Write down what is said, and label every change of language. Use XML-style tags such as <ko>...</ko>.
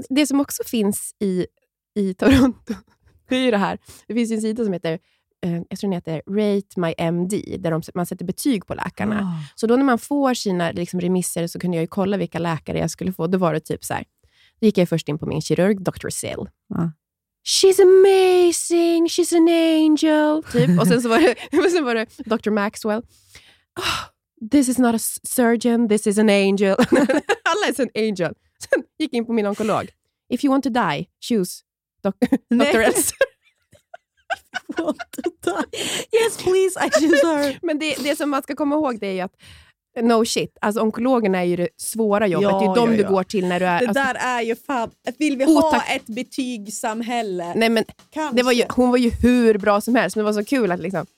<sv>Det som också finns i Toronto, det är ju det här. Det finns en sida som heter, jag tror den heter Rate My MD, där man sätter betyg på läkarna. Oh. Så då när man får sina liksom remisser så kunde jag ju kolla vilka läkare jag skulle få. Då var det typ så här, då gick jag först in på min kirurg, Dr. Sill. Ja.</sv> <en>She's amazing, she's an angel, typ.</en> <sv>Och sen så var det, sen var det Dr. Maxwell. Oh.</sv> <en>This is not a surgeon, this is an angel.</en> <sv>Alla är en angel. Sen gick in på min onkolog.</sv> <en>If you want to die, choose Dr. S. If you want to die. Yes, please, I choose her.</en> <sv>Men det som man ska komma ihåg det är ju att</sv> <en>no shit,</en> <sv>alltså onkologerna är ju det svåra jobbet. Ja, det är ju de du går till när du är... Det alltså, där är ju fan... Vill vi ha ett betygssamhälle? Nej, men det var ju, hon var ju hur bra som helst. Men det var så kul att liksom...</sv>